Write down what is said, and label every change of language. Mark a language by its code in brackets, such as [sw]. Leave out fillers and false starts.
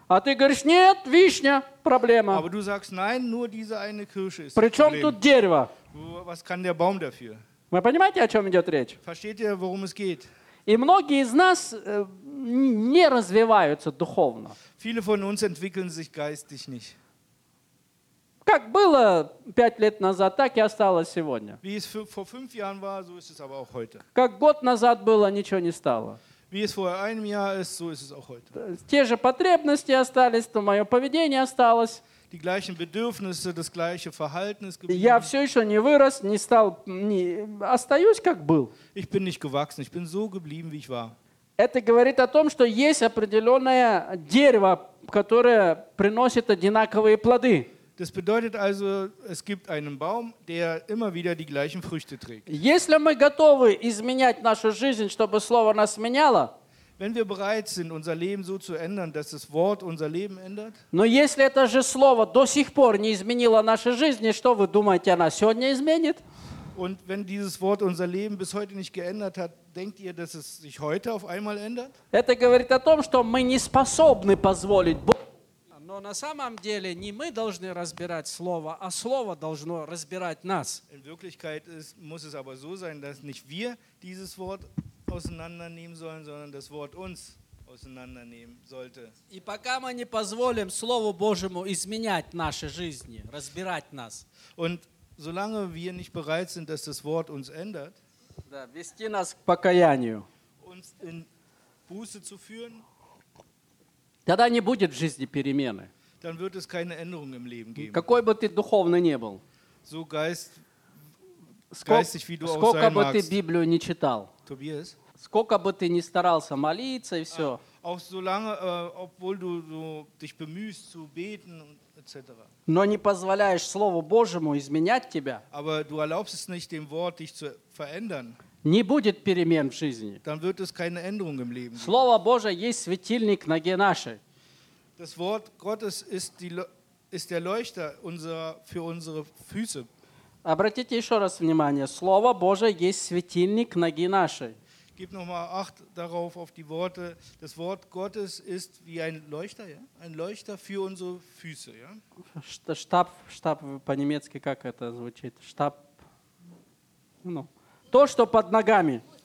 [ru] А ты говоришь, нет, вишня, проблема. [de] Aber du sagst, nein, nur diese eine Kirsche ist [ru] Problem. Причем тут дерево? [de] Was kann der Baum dafür? [ru] Вы понимаете, о чем идет речь? [de] Versteht ihr, worum es geht? [ru] И многие из нас не развиваются духовно. [de] Viele von uns entwickeln sich geistig nicht. [ru] Как было 5 лет назад, так и осталось сегодня. [de] Wie es vor 5 Jahren war, so ist es aber auch heute. [ru] Как год назад было, ничего не стало. [de] Wie es vor einem Jahr ist, so ist es auch heute. [ru] Те же потребности остались, то мое поведение осталось. [de] Die gleichen Bedürfnisse, das gleiche Verhalten ist [ru] geblieben. Я все еще не вырос, не стал, не остаюсь, как был. [de] Ich bin nicht gewachsen, ich bin so geblieben, wie ich war. [ru] Это говорит о том, что есть определенное дерево, которое приносит одинаковые плоды. [de] Das bedeutet also, es gibt einen Baum, der immer wieder die gleichen Früchte trägt. [ru] Если мы готовы изменять нашу жизнь, чтобы слово нас меняло, [de] wenn wir bereit sind, unser Leben so zu ändern, dass das Wort unser Leben ändert, [ru] но если это же слово до сих пор не изменило нашей жизни, что вы думаете, оно сегодня изменит? [de] Und wenn dieses Wort unser Leben bis heute nicht geändert hat, denkt ihr, dass es sich heute auf einmal ändert? [ru] Это говорит о том, что мы не способны позволить Богу. Но на самом деле не мы должны разбирать слово, а слово должно разбирать нас. [de] In Wirklichkeit muss es aber so sein, dass nicht wir dieses Wort auseinandernehmen sollen, sondern das Wort uns. auseinandernehmen sollte. [ru] И пока мы не позволим Слову Божьему изменять наши жизни, разбирать нас. [de] Und solange wir nicht bereit sind, dass das Wort uns ändert, [ru] да, вести нас к покаянию, [de] uns in Buße zu führen, [ru] тогда не будет в жизни перемены. [de] Dann wird es keine Änderung im Leben geben. [ru] Какой бы ты духовно не был. [de] So geistig, wie du [ru] сколько [de] auch sein [ru] бы [de] magst. [ru] Ты Библию не читал. [de] Tobias? [ru] Сколько бы ты ни старался молиться и все. [de] Auch solange, obwohl du so dich bemühst zu beten, etc. [ru] Но не позволяешь Слову Божьему изменять тебя. [de] Aber du erlaubst es nicht, dem Wort dich zu verändern. [ru] Не будет перемен в жизни. [de] Dann wird es keine Änderung im Leben. [ru] Слово Божье есть светильник ноге нашей. [de] Das Wort Gottes ist, ist der Leuchter unserer, für unsere Füße. [ru] Обратите еще раз внимание, Слово Божье есть светильник ноги нашей. [de] Gib nochmal Acht darauf, auf die Worte. Das Wort Gottes ist wie ein Leuchter, ja? Ein Leuchter für unsere Füße. Ja? [ru] Штаб, по-немецки как это звучит? Штаб, ну, то, что под ногами.